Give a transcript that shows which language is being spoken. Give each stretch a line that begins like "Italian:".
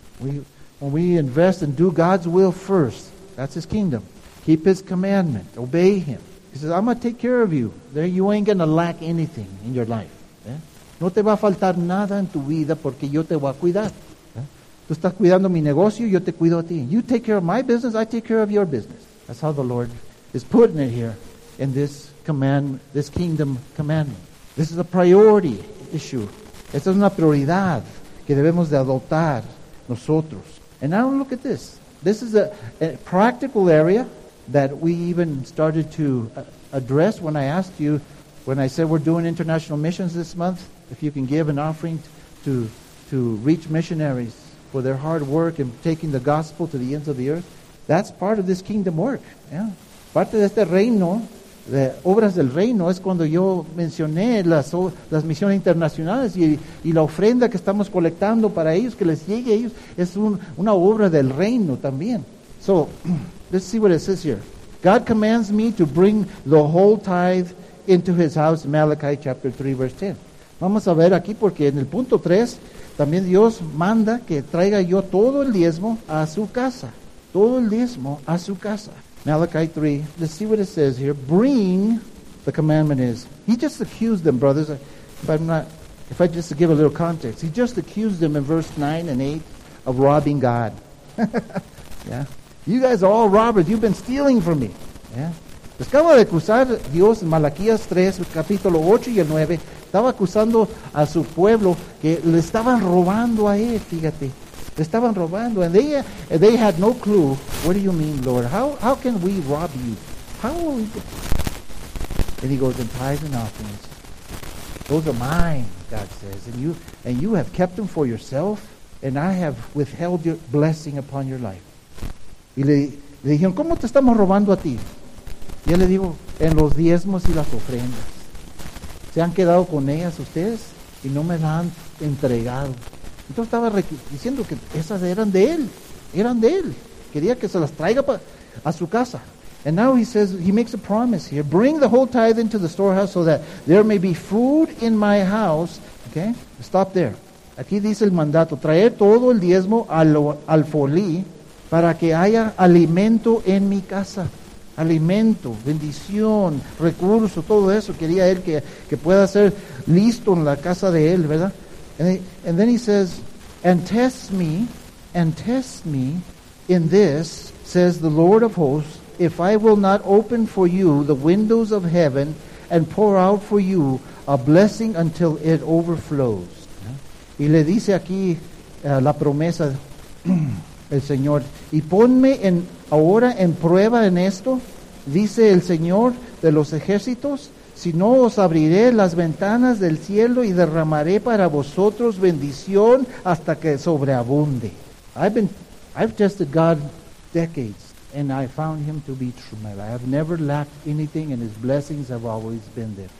English: When we invest and do God's will first, that's his kingdom. Keep his commandment, obey him. He says, I'm going to take care of you. There you ain't going to lack anything in your life.
Spanish: ¿Eh? No te va a faltar nada en tu vida porque yo te voy a cuidar. Tú estás cuidando mi negocio, yo te cuido a ti.
English: You take care of my business, I take care of your business. That's how the Lord is putting it here in this command, this kingdom commandment. This is a priority issue.
Spanish: Esta es una prioridad que debemos de adoptar nosotros.
English: And now look at this. This is a practical area that we even started to address when I asked you, when I said we're doing international missions this month, if you can give an offering to reach missionaries for their hard work in taking the gospel to the ends of the earth. That's part of this kingdom work. Yeah.
Spanish: Parte de este reino, de obras del reino, es cuando yo mencioné las misiones internacionales y la ofrenda que estamos colectando para ellos, que les llegue a ellos, es una obra del reino también.
English: So, let's see what it says here. God commands me to bring the whole tithe into his house, Malachi chapter 3, verse 10.
Spanish: Vamos a ver aquí porque en el punto 3, también Dios manda que traiga yo todo el diezmo a su casa. Todo el diezmo a su casa.
English: Malachi 3, let's see what it says here. Bring, the commandment is. He just accused them, brothers. If I just give a little context. He just accused them in verse 9 and 8 of robbing God. Yeah. You guys are all robbers. You've been stealing from me. Yeah.
Spanish: Acaba de acusar Dios en Malaquías 3, capítulo 8 y el 9. Estaba acusando a su pueblo que le estaban robando a él, fíjate. Le estaban robando.
English: And they had no clue. What do you mean, Lord? How can we rob you? How will we do? And he goes, and tithes and offerings. Those are mine, God says. And you have kept them for yourself. And I have withheld your blessing upon your life.
Spanish: Y le dijeron, ¿cómo te estamos robando a ti? Y él le dijo, en los diezmos y las ofrendas. Se han quedado con ellas ustedes y no me las han entregado. Entonces estaba diciendo que esas eran de él. Eran de él. Quería que se las traiga a su casa.
English: And now he says, he makes a promise here. Bring the whole tithe into the storehouse so that there may be food in my house. Okay? Stop there.
Spanish: Aquí dice el mandato. Traer todo el diezmo al folí para que haya alimento en mi casa. Alimento, bendición, recurso, todo eso. Quería él que pueda ser listo en la casa de él, ¿verdad?
English: And then he says, and test me in this, says the Lord of hosts, if I will not open for you the windows of heaven and pour out for you a blessing until it overflows.
Spanish: Y le dice aquí la promesa el Señor. Y ponme en ahora en prueba en esto, dice el Señor de los ejércitos, si no os abriré las ventanas del cielo y derramaré para vosotros bendición hasta que sobreabunde.
English: I've tested God decades and I found him to be true. Man. I have never lacked anything and his blessings have always been there.